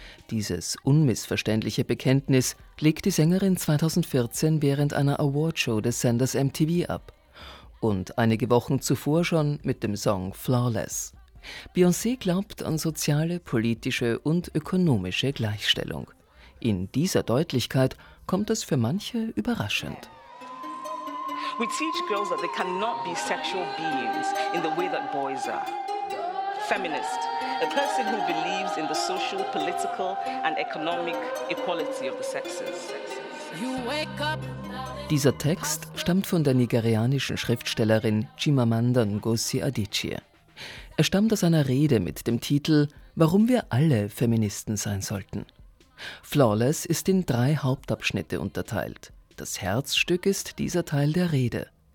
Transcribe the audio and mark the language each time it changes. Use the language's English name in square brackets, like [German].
[German] Dieses unmissverständliche Bekenntnis legt die Sängerin 2014 während einer Awardshow des Senders MTV ab. Und einige Wochen zuvor schon mit dem Song Flawless. Beyoncé glaubt an soziale, politische und ökonomische Gleichstellung. In dieser Deutlichkeit kommt es für manche überraschend. [English] We teach girls that they cannot be sexual beings in the way that boys are. Feminist, a person who believes in the social, political and economic equality of the sexes. You wake up. [German] Dieser Text stammt von der nigerianischen Schriftstellerin Chimamanda Ngozi Adichie. Er stammt aus einer Rede mit dem Titel »Warum wir alle Feministen sein sollten«. Flawless ist in drei Hauptabschnitte unterteilt. Das Herzstück ist dieser Teil der Rede.